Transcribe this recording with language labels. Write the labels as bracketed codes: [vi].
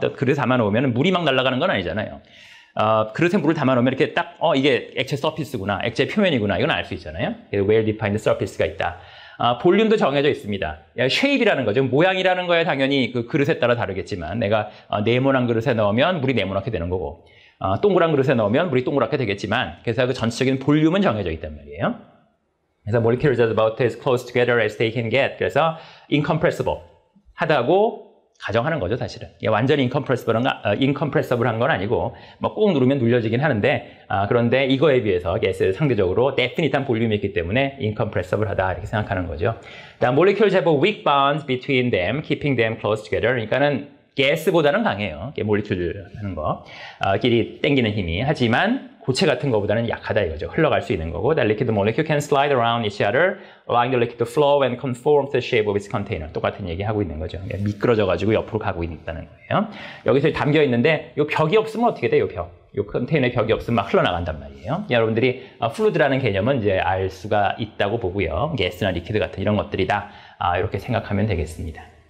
[ko] 또 그릇에 담아놓으면 물이 막 날아가는 건 아니잖아요. 그릇에 물을 담아놓으면 이렇게 딱 이게 액체 서피스구나, 액체 표면이구나 이건 알 수 있잖아요. [en] Well defined surface가 [ko] 있다. 볼륨도 정해져 있습니다. shape이라는 거죠. 모양이라는 거에 당연히 그 그릇에 따라 다르겠지만 내가 네모난 그릇에 넣으면 물이 네모나게 되는 거고 동그란 그릇에 넣으면 물이 동그랗게 되겠지만 그래서 그 전체적인 볼륨은 정해져 있단 말이에요. 그래서 [en] molecules are about as close together as they can get. [ko] 그래서 incompressible 하다고 가정하는 거죠, 사실은. 완전히 incompressible한 건 아니고 뭐 꾹 누르면 눌려지긴 하는데 그런데 이거에 비해서 가스의 상대적으로 definite한 볼륨이 있기 때문에 incompressible하다 이렇게 생각하는 거죠. 그다음 [en] molecules have a weak bonds between them, keeping them close together. [ko] 그러니까는 가스보다는 강해요. 몰리큘 하는 거. 끼리 땡기는 힘이. 하지만 고체 같은 거보다는 약하다 이거죠. 흘러갈 수 있는 거고. [en] That liquid molecule can slide around each other, allowing the liquid to flow and conform to the shape of its container. [ko] 똑같은 얘기 하고 있는 거죠. 미끄러져가지고 옆으로 가고 있다는 거예요. 여기서 담겨 있는데, 요 벽이 없으면 어떻게 돼요, 벽? 요 컨테이너에 벽이 없으면 막 흘러나간단 말이에요. 여러분들이 fluid라는 개념은 이제 알 수가 있다고 보고요. 가스나 liquid 같은 이런 것들이다. 이렇게 생각하면 되겠습니다.